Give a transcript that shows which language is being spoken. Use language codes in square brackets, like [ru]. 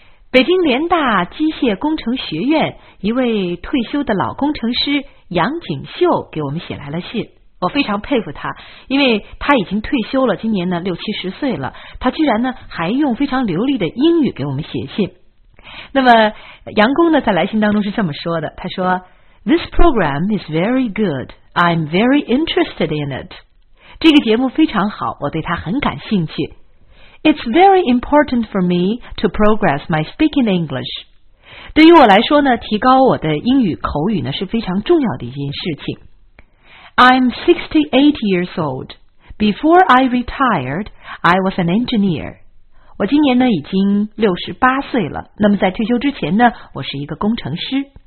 [zh] 北京联大机械工程学院一位退休的老工程师杨景秀给我们写来了信，我非常佩服他，因为他已经退休了，今年呢六七十岁了，他居然呢还用非常流利的英语给我们写信。那么杨工呢在来信当中是这么说的，他说 [en] This program is very good, I'm very interested in it. [zh] 这个节目非常好，我对它很感兴趣。 [en] It's very important for me to progress my speaking English. [zh] 对于我来说呢，提高我的英语口语呢是非常重要的一件事情。 [en] I'm 68 years old. Before I retired, I was an engineer. [zh] 我今年呢已经68岁了，那么在退休之前呢，我是一个工程师。